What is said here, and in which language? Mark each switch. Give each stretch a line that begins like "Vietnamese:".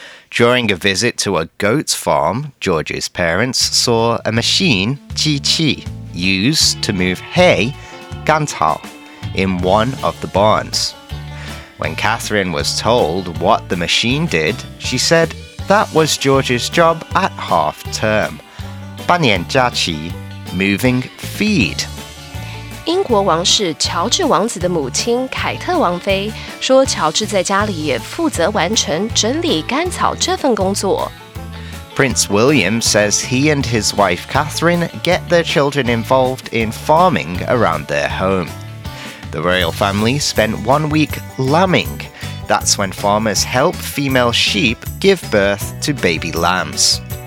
English: During a visit to a goat's farm, George's parents saw a machine, 机器, used to move hay, 干草, in one of the barns. When Catherine was told what the machine did, she said that was George's job at half term. 半年假期, moving feed.
Chinese: 英国王室乔治王子的母亲凯特王妃说，乔治在家里也负责完成整理干草这份工作。
English: Prince William says he and his wife Catherine get their children involved in farming around their home. The royal family spent 1 week lambing. That's when farmers help female sheep give birth to baby lambs.